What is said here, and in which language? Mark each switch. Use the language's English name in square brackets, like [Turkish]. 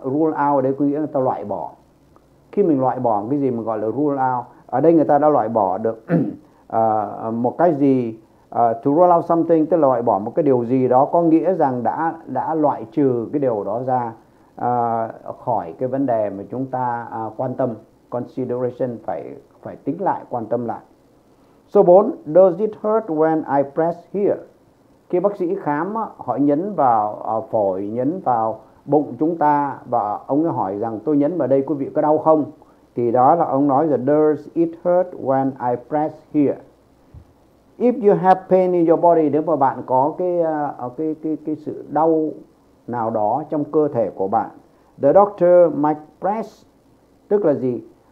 [Vietnamese] Rule out ở đây có nghĩa là ta loại bỏ. Khi mình loại bỏ cái gì mà gọi là rule out, ở đây người ta đã loại bỏ được một cái gì. [English] To rule out something [Vietnamese] tức là loại bỏ một cái điều gì đó, có nghĩa rằng đã loại trừ cái điều đó ra khỏi cái vấn đề mà chúng ta quan tâm. Consideration, phải tính lại, quan tâm lại. Số 4, [English] does it hurt when I press here? [Vietnamese] Khi bác sĩ khám, họ nhấn vào phổi, nhấn vào bụng chúng ta, và ông ấy hỏi rằng tôi nhấn vào đây quý vị có đau không? Thì đó là ông nói là [English] does it hurt when I press here? If you have pain in your body, [Vietnamese] nếu mà bạn có cái sự đau nào đó trong cơ thể của bạn, [English] the doctor might press, [Vietnamese] tức là gì?